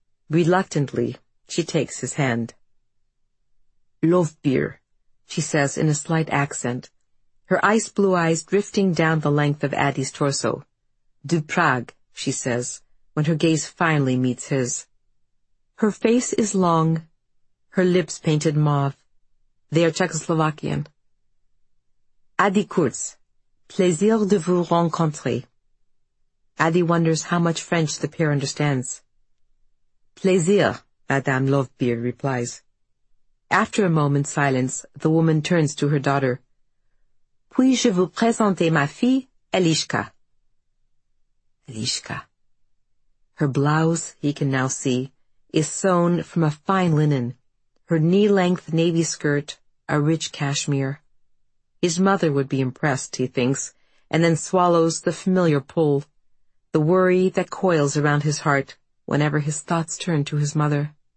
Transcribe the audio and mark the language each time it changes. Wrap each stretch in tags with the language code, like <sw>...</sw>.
<en>Reluctantly, she takes his hand. "Love beer," she says in a slight accent, her ice-blue eyes drifting down the length of Addy's torso. "Du Prague," she says, when her gaze finally meets his. Her face is long, her lips painted mauve. They are Czechoslovakian.</en> <fr>"Addy Kurz, plaisir de vous rencontrer."</fr> <en>Addy wonders how much French the pair understands. "Plaisir," Madame Lovebeer replies. After a moment's silence, the woman turns to her daughter.</en> <fr>"Puis-je vous présenter ma fille, Elishka?"</fr> <en>Elishka. Her blouse, he can now see, is sewn from a fine linen, her knee-length navy skirt, a rich cashmere. His mother would be impressed, he thinks, and then swallows the familiar pull, the worry that coils around his heart whenever his thoughts turn to his mother.</en>